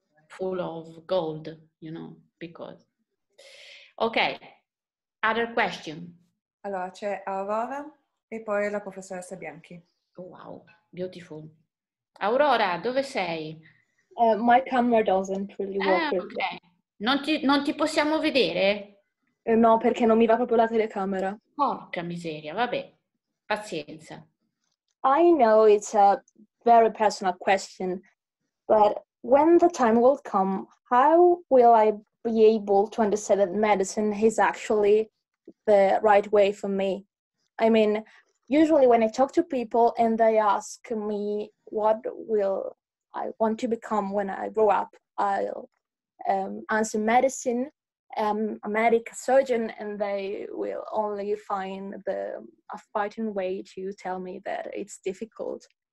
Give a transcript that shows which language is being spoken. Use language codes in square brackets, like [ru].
[en] Full of gold, you know, because okay, other question. [it] Allora c'è Aurora e poi la professoressa Bianchi. [en] Oh, wow, beautiful. Aurora, [it] dove sei? [en] My camera doesn't really work. [it] Okay. Non ti possiamo vedere? No, perché non mi va proprio la telecamera. Porca miseria, vabbè, pazienza. [en] I know it's a very personal question, but when the time will come, how will I be able to understand that medicine is actually the right way for me? I mean, usually when I talk to people and they ask me what will I want to become when I grow up, I'll answer medicine, a medic, a surgeon, and they will only find a fighting way to tell me that it's difficult.